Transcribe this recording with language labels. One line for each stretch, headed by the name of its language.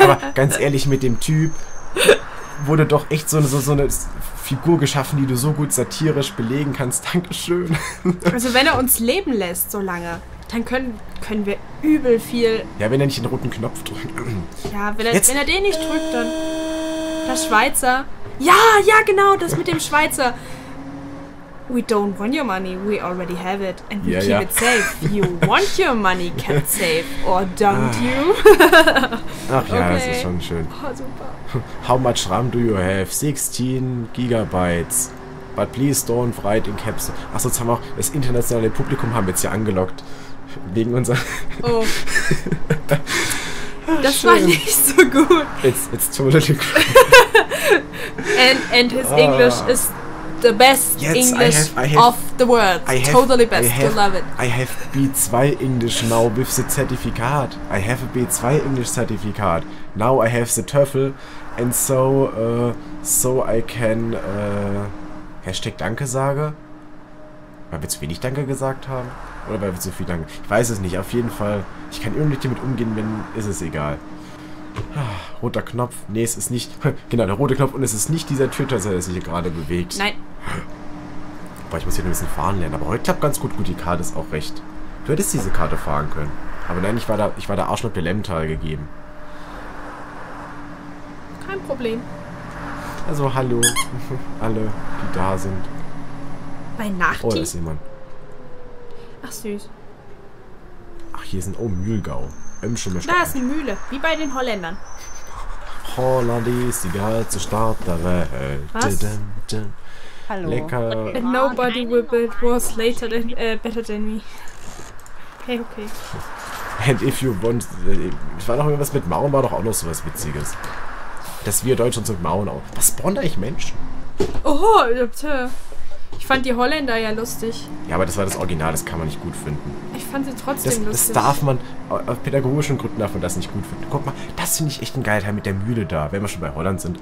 German: aber ganz ehrlich, mit dem Typ wurde doch echt so eine Figur geschaffen, die du so gut satirisch belegen kannst. Dankeschön. Also wenn er uns leben lässt so lange, dann können wir übel viel... Ja, wenn er nicht den roten Knopf drückt. Ja, wenn er den nicht drückt, dann... Der Schweizer... Ja, genau, das mit dem Schweizer.
English: We don't want your money, we already have it. And we keep it safe. You want your money kept safe, or don't you?
German: Ach ja, okay. Das ist schon schön. Oh, super.
English: How much RAM do you have? 16 Gigabytes. But please don't write in caps.
German: Achso, jetzt haben wir auch das internationale Publikum haben wir jetzt hier angelockt. Wegen unserer... Oh. Das schön. War nicht so gut.
English: It's totally cool. And his English is... The best English of the world. I have B2 English now with the certificate. I have a B2 English certificate. Now I have the TOEFL and so I can Hashtag
German: Danke sage. Weil wir zu wenig Danke gesagt haben? Oder weil wir zu viel Danke? Ich weiß es nicht. Auf jeden Fall. Ich kann irgendwie damit umgehen, wenn ist es egal. Roter Knopf. Nee, es ist nicht. Genau, der rote Knopf und es ist nicht dieser Twitter, der sich hier gerade bewegt. Nein. Boah, ich muss hier ein bisschen fahren lernen. Aber heute klappt ganz gut. Gut, die Karte ist auch recht. Du hättest diese Karte fahren können. Aber nein, ich war da auch schon mit Belemtal gegeben. Kein Problem. Also hallo. Alle, die da sind. Bei Nacht. Oh, da ist jemand. Ach süß. Ach, hier sind. Oh, Mühlgau. Da ist eine Mühle, wie bei den Holländern. Holland ist die geilste Stadt der Welt. Was? Hallo. Lecker.
English: And nobody will build walls later than, better than me. Okay, okay. And if you want...
German: Ich war noch irgendwas mit Mauern, war doch auch noch sowas Witziges. Dass wir Deutschland mit Mauern auch... Was spawnt eigentlich Menschen? Oh, ich hab's. Ich fand die Holländer ja lustig. Ja, aber das war das Original, das kann man nicht gut finden. Ich fand sie trotzdem lustig. Das darf man, auf pädagogischen Gründen darf man das nicht gut finden. Guck mal, das finde ich echt ein geiler Teil mit der Mühle da, wenn wir schon bei Holland sind.